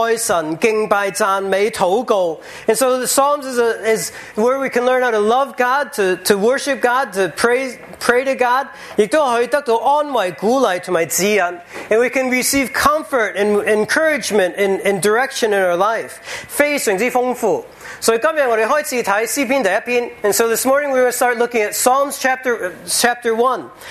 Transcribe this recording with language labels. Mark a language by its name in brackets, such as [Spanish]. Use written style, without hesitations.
[Chinese] 所以我們看到這個詩篇就是一個學愛神、敬拜、讚美、禱告。 [English] And so the Psalms is where we can learn how to love God, to worship God, to pray to God. [Chinese] 也可以得到安慰、鼓勵和指引。 [English] And we can receive comfort and encouragement and direction in our life. [Chinese] 非常之豐富。所以今天我們開始看詩篇第一篇。 [English] And so this morning we will start looking at Psalms chapter 1.